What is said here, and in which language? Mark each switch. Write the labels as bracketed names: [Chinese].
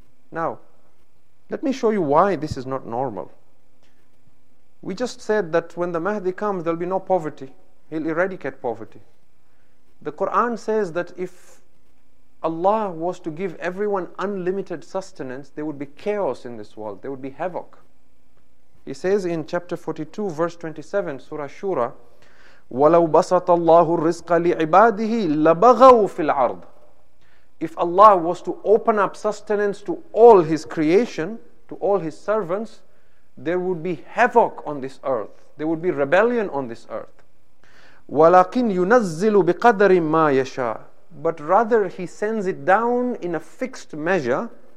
[English] Now, let me show you why this is not normal. We just said that when the Mahdi comes, there'll be no poverty. He'll eradicate poverty. The Quran says that if Allah was to give everyone unlimited sustenance, there would be chaos in this world. There would be havoc. He says in chapter 42, verse 27, Surah Shura, [Arabic] وَلَوْ بَسَطَ اللَّهُ الرِّزْقَ لِعِبَادِهِ لَبَغَوْا فِي الْعَرْضِ. [English] If Allah was to open up sustenance to all His creation, to all His servants, there would be havoc on this earth. There would be rebellion on this earth. [Arabic] وَلَكِنْ يُنَزِّلُ بِقَدَرِ مَا يَشَاءَ. [English] But rather He sends it down in a fixed measure.